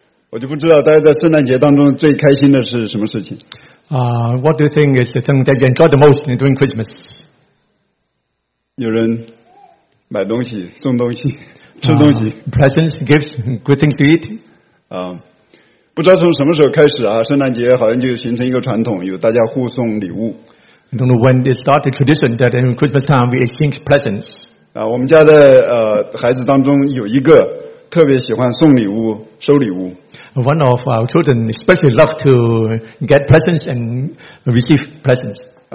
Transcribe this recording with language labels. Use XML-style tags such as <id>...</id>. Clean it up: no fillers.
<zh>我就不知道大家在圣诞节当中最开心的是什么事情。</zh> <en>What do you think is the thing that you enjoy the most during Christmas?</en> <zh>有人买东西、送东西、吃东西。</zh> <en>Presents, gifts, good things to eat.</en> <zh>不知道从什么时候开始啊，圣诞节好像就形成一个传统，有大家互送礼物。</zh> <en>I don't know when they start the tradition that in Christmas time we exchange presents.</en> <zh>我们家的孩子当中有一个特别喜欢送礼物、收礼物。</zh> <en>One of our children especially love to get presents and receive presents.</en>